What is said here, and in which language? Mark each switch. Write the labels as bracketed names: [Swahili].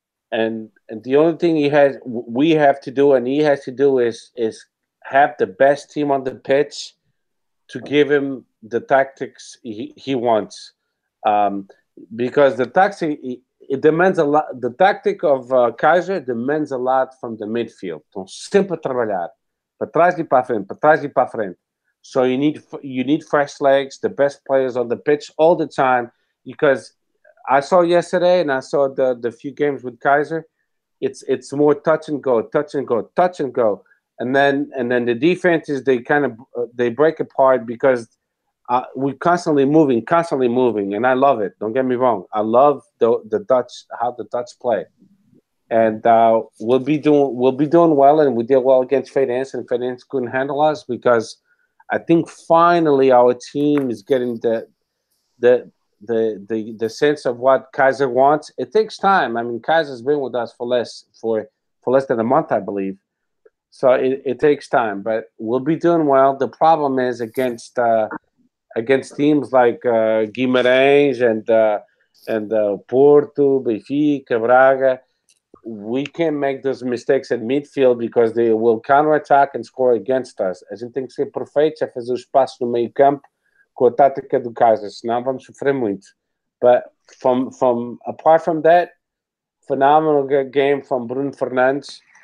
[English] And the only thing he has to do is have the best team on the pitch to give him the tactics he wants. Because the tactics, it demands a lot. The tactic of Kaiser demands a lot from the midfield. [Portuguese] Então, sempre a trabalhar. Para trás e para a frente, para trás e para a frente. [English] So you need fresh legs, the best players on the pitch all the time, because I saw yesterday, and I saw the few games with Kaiser. It's more touch and go, touch and go, touch and go, and then the defense is they break apart because we're constantly moving, and I love it. Don't get me wrong, I love the Dutch, how the Dutch play, and we'll be doing well, and we did well against Feirense, and Feirense couldn't handle us because I think finally our team is getting the sense of what Kaiser wants. It takes time. I mean, Kaiser's been with us for less than a month, I believe. So it takes time, but we'll be doing well. The problem is against teams like Guimarães and Porto, Benfica, Braga, we can't make those mistakes at midfield because they will counterattack and score against us. [Portuguese] A gente tem que ser perfeito a fazer os passos no meio campo com a tática do Kaiser, senão vamos sofrer muito. [English] But from apart from that, phenomenal game from Bruno Fernandes.